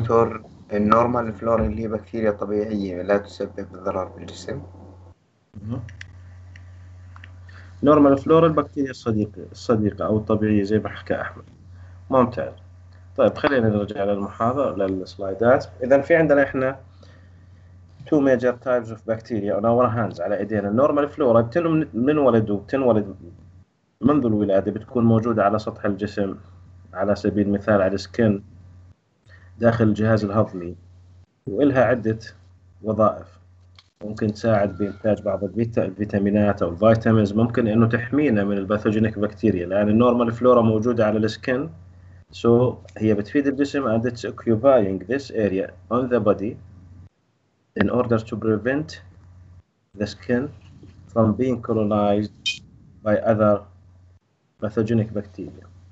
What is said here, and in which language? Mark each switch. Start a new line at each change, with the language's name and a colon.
Arabic: دكتور؟ النورمال فلورا اللي هي بكتيريا طبيعية لا تسبب الضرر بالجسم. نورمال فلورا البكتيريا الصديقة أو الطبيعية زي ما حكى أحمد. ممتاز، طيب خلينا نرجع للمحاضرة للسلايدات. إذا في عندنا إحنا
English: two major types of bacteria on our hands،
Arabic: على إيدينا. النورمال فلورا بتنولد وبتنولد منذ الولادة، بتكون موجودة على سطح الجسم، على سبيل المثال على السكن داخل الجهاز الهضمي، وإلها عدة وظائف. ممكن تساعد بإنتاج بعض الفيتامينات أو الفيتامينز، ممكن إنه تحمينا من الباثوجينيك بكتيريا، لأن النورمال فلورا موجودة على السكن، so هي بتفيد الجسم
English: and it's occupying this area on the body in order to prevent the skin from being colonized by other pathogenic bacteria.